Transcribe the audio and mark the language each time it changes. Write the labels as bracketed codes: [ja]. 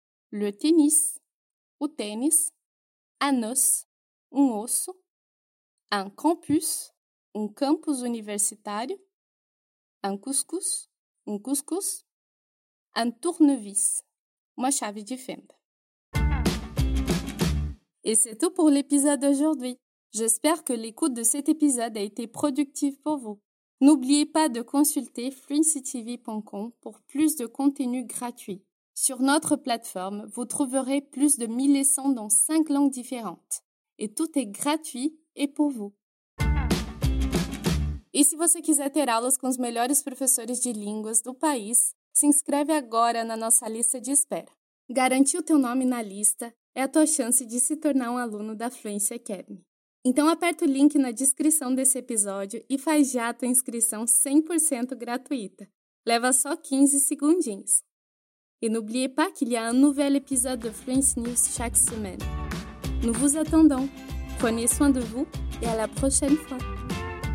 [fr] Le tennis, [pt] o tênis. [fr] Un os, [pt] um osso. [fr] Un campus, [pt] um campus universitário. [fr] Un couscous, [pt] um couscous. [fr] Un tournevis, [pt] uma chave de fenda. [fr] Et c'est tout pour l'épisode d'aujourd'hui. J'espère que l'écoute de cet épisode a été productive pour vous. N'oubliez pas de consulter fluencytv.com pour plus de contenu gratuit. Sur notre plateforme, vous trouverez plus de 1000 leçons dans 5 langues différentes. Et tout est gratuit et pour vous. Et si vous [pt] quiser ter aulas com os melhores professores de línguas do país, s'inscreve agora na nossa lista de espera. Garantiu teu nome na lista. É a tua chance de se tornar um aluno da Fluency Academy. Então aperta o link na descrição desse episódio e faz já a tua inscrição 100% gratuita. Leva só 15 segundinhos. [fr] E n'oubliez pas qu'il y a un nouvel épisode de Fluency News chaque semaine. Nous vous attendons. Prenez soin de vous et à la prochaine fois.